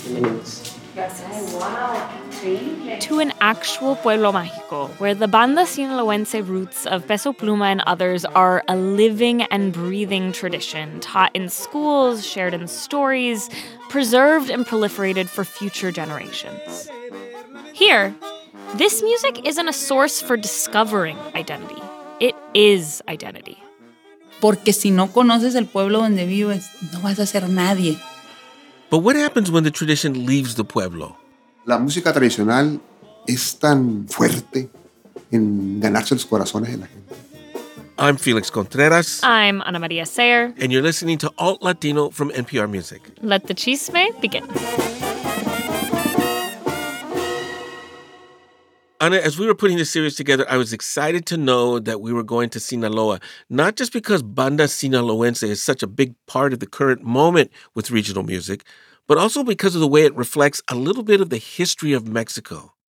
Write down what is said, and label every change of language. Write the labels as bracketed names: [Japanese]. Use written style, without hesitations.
[English] To an actual Pueblo Mágico, where the banda sinaloense roots of Peso Pluma and others are a living and breathing tradition, taught in schools, shared in stories, preserved and proliferated for future generations. Here, this music isn't a source for discovering identity. It is identity. [Spanish] Porque si no conoces el pueblo donde vives, no vas a ser nadie. [English] But what happens when the tradition leaves the pueblo? [Spanish] La música tradicional es tan fuerte en ganarse los corazones de la gente. [English] I'm Felix Contreras. I'm Ana María Sayer. And you're listening to Alt Latino from NPR Music. Let the chisme begin. Ana, as we were putting this series together, I was excited to know that we were going to Sinaloa, not just because banda sinaloense is such a big part of the current moment with regional music, but also because of the way it reflects a little bit of the history of Mexico.